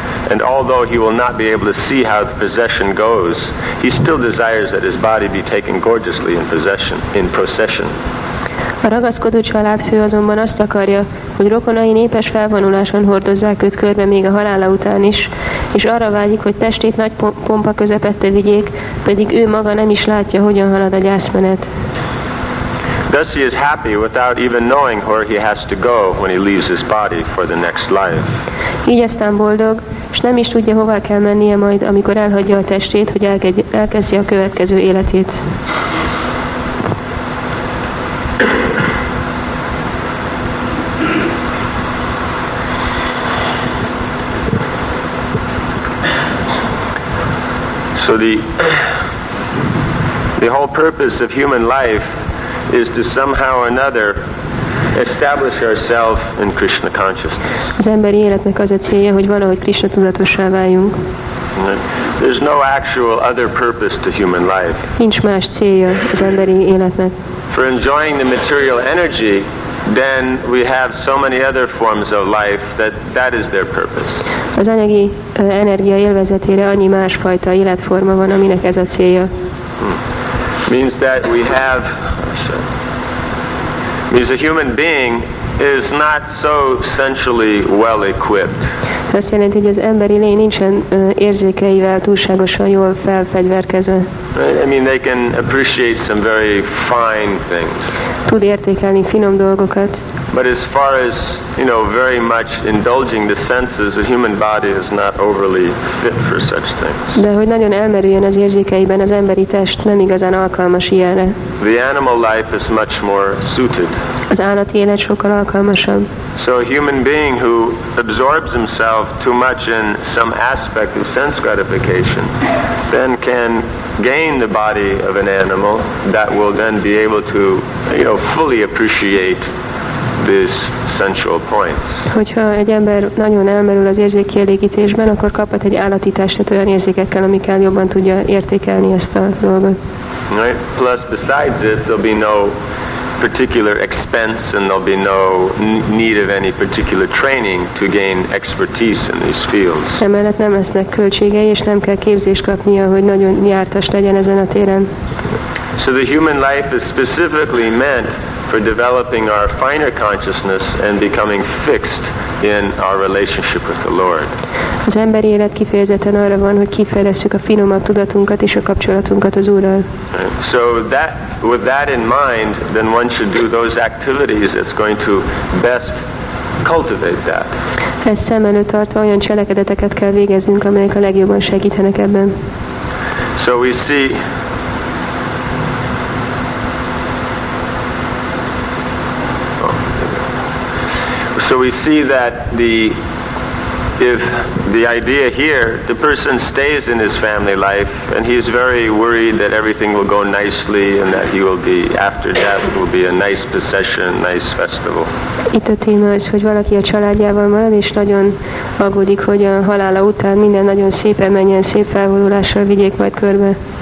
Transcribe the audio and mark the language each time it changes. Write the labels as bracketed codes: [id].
[en] And although he will not be able to see how the procession goes, he still desires that his body be taken gorgeously in procession. [hu] A ragaszkodó családfő azonban azt akarja, hogy rokonai népes felvonuláson hordozzák őt körbe még a halála után is, és arra vágyik, hogy testét nagy pompa közepette vigyék, pedig ő maga nem is látja, hogyan halad a gyászmenet. [en] Thus he is happy without even knowing where he has to go when he leaves his body for the next life. [hu] Így aztán boldog, és nem is tudja, hová kell mennie majd, amikor elhagyja a testét, hogy elkezdje a következő életét. [en] So the whole purpose of human life is to somehow or another establish ourselves in Krishna consciousness. [hu] Az emberi életnek az a célja, hogy valahogy Krishna tudatossá váljunk. [en] There's no actual other purpose to human life. [hu] Nincs más célja az emberi életnek. [en] For enjoying the material energy, then we have so many other forms of life that is their purpose. [hu] Az anyagi energia élvezetére annyi más fajta életforma van, aminek ez a célja. [en] Means that we have means a human being is not so sensually well equipped. [hu] Azt jelenti, hogy az emberi lény nincsen érzékeivel túlságosan jól felfegyverkezve. [en] I mean, they can appreciate some very fine things. [hu] Tud értékelni finom dolgokat. [en] But as far as, you know, very much indulging the senses, a human body is not overly fit for such things. [hu] De hogy nagyon elmerüljön az érzékeiben, az emberi test nem igazán alkalmas ilyenre. [en] The animal life is much more suited. [hu] Az állati élet sokkal alkalmasabb. [en] So a human being who absorbs himself too much in some aspect of sense gratification then can gain the body of an animal that will then be able to, you know, fully appreciate these sensual points. [hu] Hogyha egy ember nagyon elmerül az érzékkielégítésben, akkor kaphat egy állati testet olyan érzékekkel, amikkel jobban tudja értékelni ezt a dolgot. [en] Right? Plus, besides it, there'll be no particular expense and there'll be no need of any particular training to gain expertise in these fields. [hu] Emellett nem lesznek költségei, és nem kell képzést kapnia, hogy nagyon jártas legyen ezen a téren. [en] So the human life is specifically meant for developing our finer consciousness and becoming fixed in our relationship with the Lord. [hu] Az emberi élet kifejezetten arra van, hogy kifejlesszük a finomabb tudatunkat és a kapcsolatunkat az Úrral. [en] So that, with that in mind, then one should do those activities that's going to best cultivate that. [hu] Ezt szem előtt tartva olyan cselekedeteket kell végeznünk, amelyek a legjobban segítenek ebben. [en] So we see that if the idea here, the person stays in his family life and he's very worried that everything will go nicely and that he will be, after death, will be a nice procession, nice festival. [hu] Itt a téma az, hogy valaki a családjával marad és nagyon aggódik, hogy a halála után minden nagyon szépen menjen, szép felvonulással vigyék majd körbe.